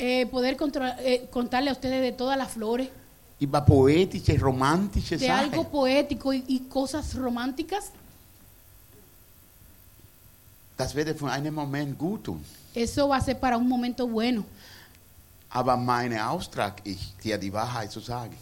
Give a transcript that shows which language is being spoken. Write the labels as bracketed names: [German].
[Spanish] Poder contarle a ustedes de todas las flores. [German] Über poetische, romantische Sachen. [Spanish] De algo poético y cosas románticas. [German] Das wird für einen Moment gut tun. [Spanish] Eso va a ser para un momento bueno. [German] Aber mein Auftrag ist, dir die Wahrheit zu sagen.